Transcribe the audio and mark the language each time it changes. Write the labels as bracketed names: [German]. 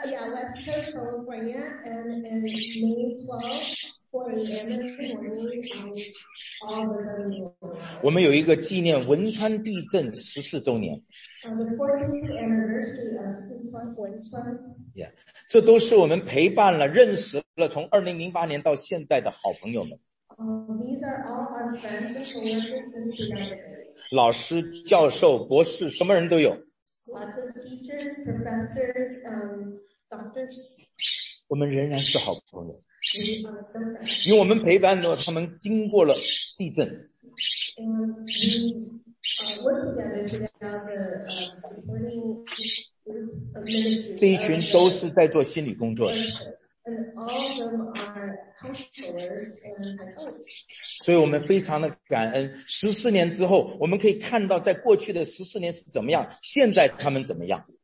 [English] Yeah, West Coast, California, and May 12, 4 a.m. in the morning, all the sudden. [Chinese] 我们有一个纪念汶川地震14周年。 [English] The 14th anniversary of 四川汶川。 [Chinese] Yeah, 这都是我们陪伴了、认识了从2008年到现在的好朋友们。 [English] These are all our friends and coworkers since 2008. [Chinese] 老师、教授、博士，什么人都有。 [English] Lots of teachers, professors, doctors. [Chinese] 我们仍然是好朋友，因为我们陪伴着他们经过了地震。 [English] And we're together supporting the ministry. [Chinese] 这一群都是在做心理工作的。 [English] And all of them are counselors and psychologists. [Chinese] 所以我们非常的感恩。 14年之后，我们可以看到在过去的14年是怎么样，现在他们怎么样。